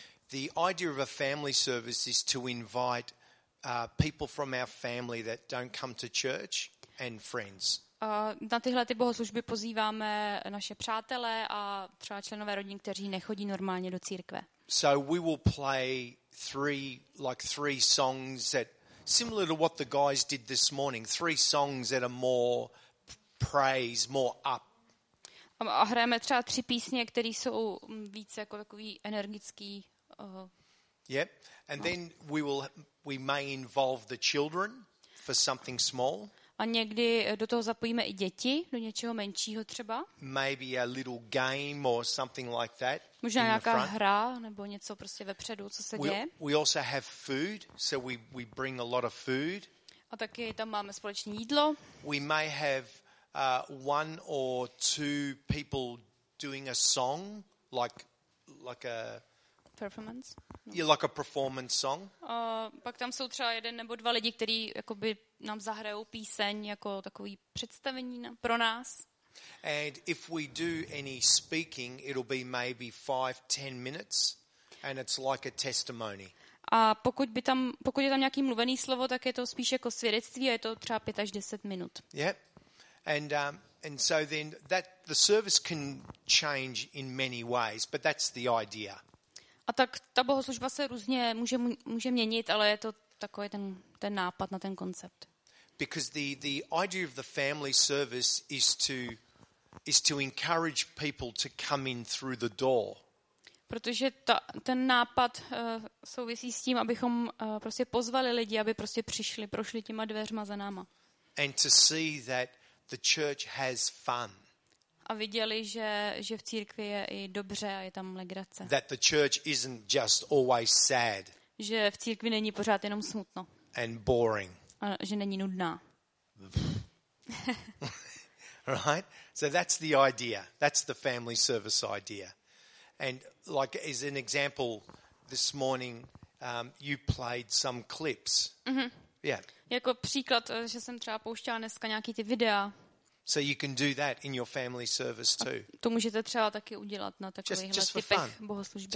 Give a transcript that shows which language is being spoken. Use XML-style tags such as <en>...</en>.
<en>The idea of a family service is to invite people from our family that don't come to church and friends.</en> <cs>Na tyhle ty bohoslužby pozýváme naše přátele a třeba členové rodin, kteří nechodí normálně do církve.</cs> <en>So we will play three songs that similar to what the guys did this morning, three songs that are more praise, more up.</en> <cs>A hrajeme třeba tři písně, které jsou více jako takový energický.</cs> <en>Yep. And then we may involve the children for something small.</en> <cs>A někdy do toho zapojíme i děti, do něčeho menšího třeba.</cs> <en>Maybe a little game or something like that.</en> <cs>Možná nějaká hra nebo něco prostě vepředu, co se děje.</cs> <en>We also have food, so we bring a lot of food.</en> <cs>A taky tam máme společné jídlo.</cs> <en>We may have one or two people doing a song like a performance. No. Yeah, like a performance song.</en> <cs>Pak tam jsou třeba jeden nebo dva lidi, kteří jakoby nám zahrajou píseň jako takový představení pro nás.</cs> <en>And if we do any speaking, it'll be maybe 5-10 minutes and it's like a testimony.</en> <cs>A pokud je tam nějaký mluvený slovo, tak je to spíš jako svědectví, a je to třeba 5-10 minut.</cs> <en>Yeah. And so then that the service can change in many ways, but that's the idea.</en> <cs>A tak ta bohoslužba se různě může měnit, ale je to takový ten nápad na ten koncept.</cs> <en>Because the idea of the family service is to encourage people to come in through the door.</en> <cs>Protože ten nápad souvisí s tím, abychom prostě pozvali lidi, aby prostě prošli těma dveřma za náma.</cs> <en>And to see that the church has fun.</en> <cs>A viděli, že v církvi je i dobře a je tam legrace.</cs> <en>That the church isn't just always sad.</en> <cs>Že v církvi není pořád jenom smutno.</cs> <en>And boring.</en> <cs>A že není nudná.</cs> <en>Right? So that's the idea. That's the family service idea. And like as an example, this morning you played some clips. Mm-hmm. Yeah.</en> <cs>Jako příklad, že jsem třeba pouštěla dneska nějaký ty videa.</cs> <en>So you can do that in your family service too.</en> <cs>To můžete třeba taky udělat na takovýchhle typech bohoslužby.</cs>